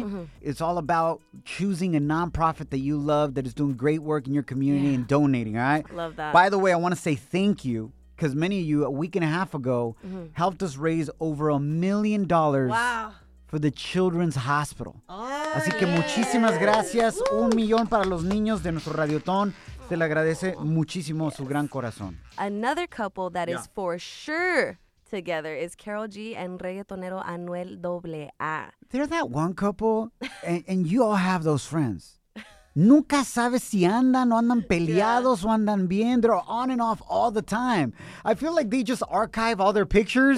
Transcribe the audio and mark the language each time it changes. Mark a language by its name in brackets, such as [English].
[English] Mm-hmm. It's all about choosing a nonprofit that you love, that is doing great work in your community yeah. and donating, all right? Love that. By the way, I want to say thank you, because many of you, a week and a half ago, mm-hmm. helped us raise over $1 million. Wow. For the Children's Hospital. Oh, [Spanish] así que muchísimas gracias. Woo. $1 million para los niños de nuestro Radiotón. Se le agradece muchísimo su gran corazón. [English] Another couple that yeah. is for sure together is Karol G and reggaetonero Anuel AA. They're that one couple, and you all have those friends. [Spanish] Nunca sabes si andan o andan peleados yeah. o andan bien. [English] They're on and off all the time. I feel like they just archive all their pictures